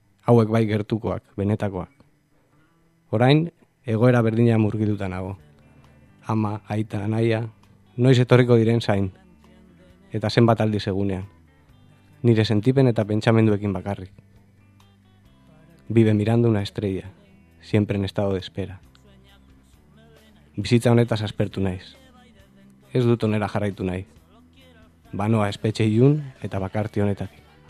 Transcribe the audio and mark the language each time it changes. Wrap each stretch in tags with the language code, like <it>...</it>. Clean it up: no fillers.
<eu>Hauek bai gertukoak, benetakoak. Orain, egoera berdina murgiluta nago. Ama, aita, anaia, noiz etorriko diren zain. Eta zenbat aldiz egunean. Nire sentipen eta pentsamenduekin bakarrik.</eu> <es>Vive mirando una estrella, siempre en estado de espera.</es> <eu>Bizitza honetaz aspertu naiz. Ez dut onera jarraitu nahi. Banoa espetxe iun eta bakarti honetatik.</eu>